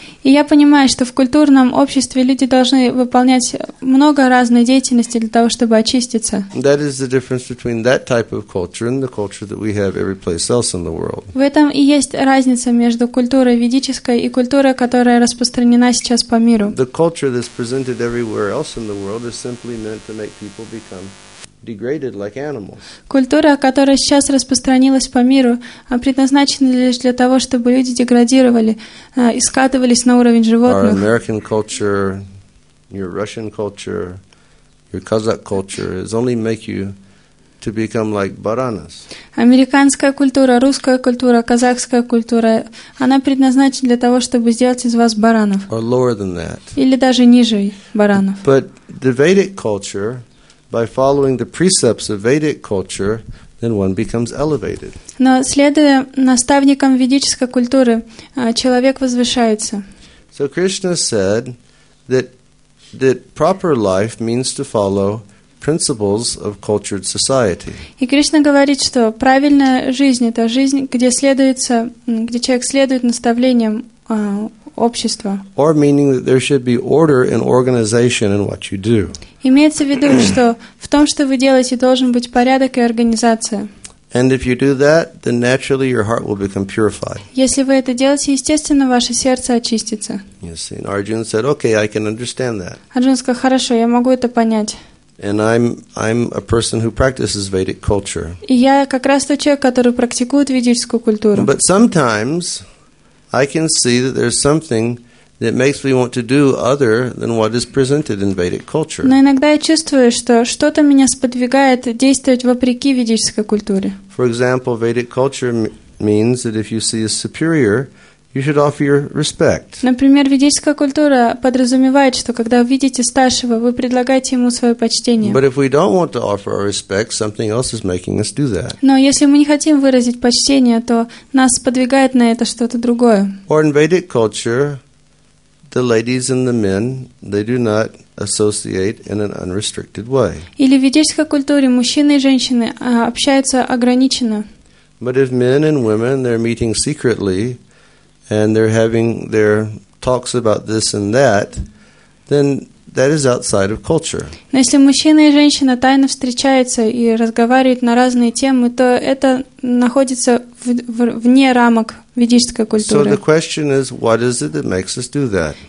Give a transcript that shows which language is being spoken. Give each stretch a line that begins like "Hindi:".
Russian: И я понимаю, что в культурном обществе люди должны выполнять много разной деятельности для того, чтобы очиститься.
English: That is the difference between that type of culture and the culture that we have every place else in the world.
Russian: В этом и есть разница между культурой ведической и культурой, которая распространена сейчас по миру.
English: The culture that's presented everywhere else in the world is simply meant to make people become degraded like animals.
Russian: Культура, которая сейчас распространилась по миру, предназначена лишь для того, чтобы люди деградировали и скатывались на уровень животных.
English: Our American culture, your Russian culture, your Kazakh culture is only make you to become like baranas.
Russian: Американская культура, русская культура, казахская культура, она предназначена для того, чтобы сделать из вас баранов.
English: Or lower than that.
Russian: Или даже ниже баранов.
English: But the Vedic culture, by following the precepts of Vedic culture, then one becomes elevated.
Russian: Но следуя наставникам ведической культуры, человек возвышается.
English: So Krishna said that proper life means to follow principles of cultured society.
Russian: И Кришна говорит, что правильная жизнь – это жизнь, где следуется, где человек следует наставлениям общества.
English: Or meaning that there should be order and organization in what you do.
Russian: Имеется в виду, что в том, что вы делаете, должен быть порядок и организация.
English: And if you do that, then naturally your heart will become purified.
Russian: Если вы это делаете, естественно, ваше сердце очистится.
English: Yes, and Arjuna said, "Okay, I can understand that."
Russian: Arjuna сказал, хорошо, я могу это понять.
English: And I'm a person who practices Vedic culture.
Russian: И я как раз тот человек, который практикует ведическую культуру.
English: But sometimes I can see that there's something that makes me want to do other than what is presented in Vedic culture.
Russian: Но иногда я чувствую, что что-то меня сподвигает действовать вопреки ведической культуре.
English: For example, Vedic culture means that if you see a superior, you should offer your respect.
Russian: Например, ведическая культура подразумевает, что когда вы видите старшего, вы предлагаете ему свое почтение.
English: But if we don't want to offer our respect, something else is making us do that.
Russian: Но если мы не хотим выразить почтение, то нас подвигает на это что-то другое.
English: Or in Vedic culture, the ladies and the men, they do not associate in an unrestricted way.
Russian: Или в ведической культуре мужчины и женщины общаются ограниченно.
English: But if men and women, they're meeting secretly, and they're having their talks about this and that, then that is outside of culture.
Russian: Но если мужчина и женщина тайно встречаются и разговаривают на разные темы, то это находится вне рамок ведической культуры.
English: So the question is, what is it that makes us do that?